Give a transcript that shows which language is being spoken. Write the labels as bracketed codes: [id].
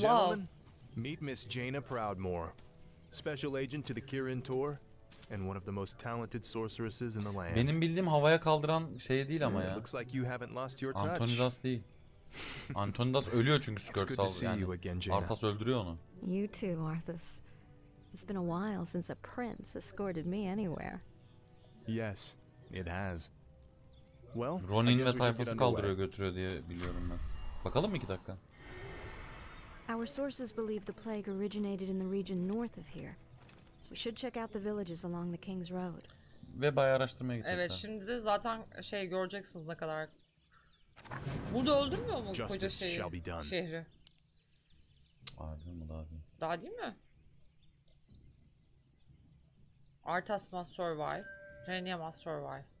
[en] Gentlemen, meet Miss Jaina Proudmoore, special agent to the Kirin Tor, and one of the most talented sorceresses in the land. [tr] Benim bildiğim havaya kaldıran şey değil ama ya. [en] Looks like you haven't lost your touch. [tr] Antonidas değil. Antonidas ölüyor çünkü Skirt saldı yani. Arthas öldürüyor onu. [en] You too, Arthas. It's been a while since a prince escorted me anywhere. Yes, it has. Well, [tr] Ronin ve tayfası kaldırıyor götürüyor diye biliyorum ben. Bakalım mı 2 dakika? [en] Our sources believe the plague originated in the region north of here. We should check out the villages along the King's Road. [tr] Ve bayağı araştırmaya gidecekler. Evet, şimdi de zaten şey göreceksiniz ne kadar. Burada öldürmüyor mu koca şeyi, şehri? Aa, değil mi, daha değil. Daha değil mi? [en] Arthas must survive. Jaina must survive.